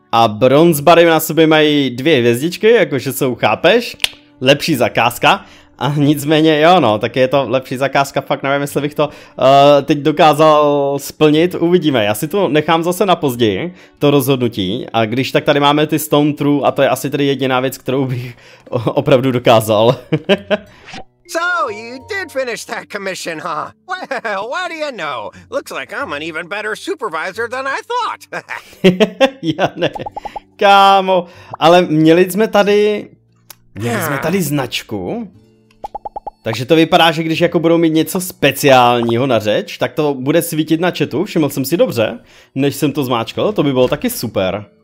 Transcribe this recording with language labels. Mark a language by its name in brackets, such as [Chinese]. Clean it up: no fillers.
[Czech] A bronze bary na sobě mají 2 hvězdičky, jakože jsou, chápeš, lepší zakázka. A nicméně, jo no, tak je to lepší zakázka, fakt nevím, jestli bych to teď dokázal splnit, uvidíme. Já si to nechám zase na později, to rozhodnutí. A když tak tady máme ty stone true, a to je asi tedy jediná věc, kterou bych opravdu dokázal. [English] So, you did finish that commission, huh? Well, what do you know? Looks like I'm an even better supervisor than I thought. [Czech] Já ne, kámo, ale měli jsme tady značku. Takže to vypadá, že když jako budou mít něco speciálního na řeč, tak to bude svítit na chatu, všiml jsem si dobře, než jsem to zmáčkal, to by bylo taky super.